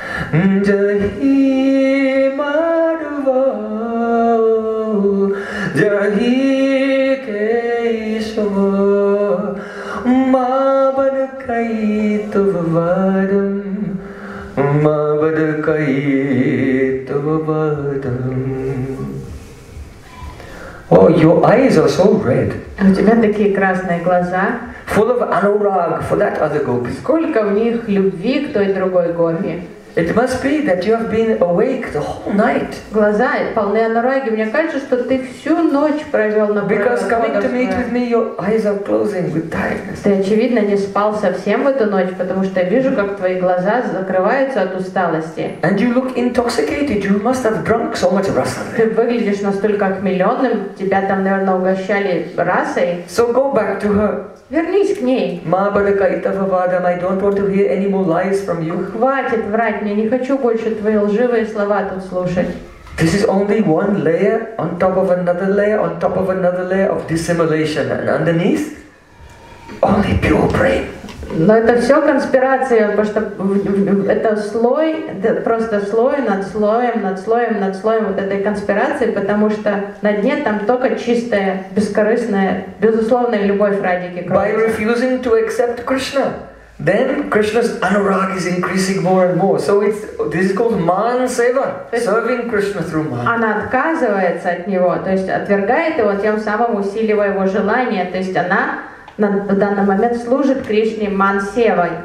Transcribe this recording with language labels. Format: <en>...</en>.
<sa>Jahi Madhava Jahi Kesho Mabad Kaitav Vadam Mabad Kaitav Vadam.</sa> <en>Oh, your eyes are so red.</en> <ru>У тебя такие красные глаза.</ru> <en>Full of anurag for that other gopi.</en> <ru>Сколько в них любви к той другой гопи.</ru> <en>It must be that you have been awake the whole night.</en> <ru>Глаза полны анураги. Мне кажется, что ты всю ночь провел на.</ru> <en>Because coming to meet with me, your eyes are closing with tiredness.</en> <ru>Ты очевидно не спал совсем в эту ночь, потому что я вижу, как твои глаза закрываются от усталости.</ru> <en>And you look intoxicated. You must have drunk so much rasa.</en> <ru>Ты выглядишь настолько охмеленным. Тебя там, наверное, угощали расой.</ru> <en>So go back to her.</en> <ru>Вернись к ней.</ru> <sa>Mabarakaitavavadam,</sa> <en>I don't want to hear any more lies from you.</en> <ru>Хватит врать мне, не хочу больше твои лживые слова тут слушать.</ru> <en>This is only one layer on top of another layer on top of another layer of dissimulation. And underneath, only pure brain.</en> <ru>Но это все конспирация, потому что это слой, просто слой над слоем, над слоем, над слоем вот этой конспирации, потому что на дне там только чистая, бескорыстная, безусловная любовь Радики.</ru> <en>By refusing to accept Krishna, then Krishna's anurag is increasing more and more. So it's this is called man-seva, serving Krishna through man.</en> <ru>Она отказывается от него, то есть отвергает его, тем самым усиливая его желание, то есть она в данный момент служит Кришне мансевой.</ru>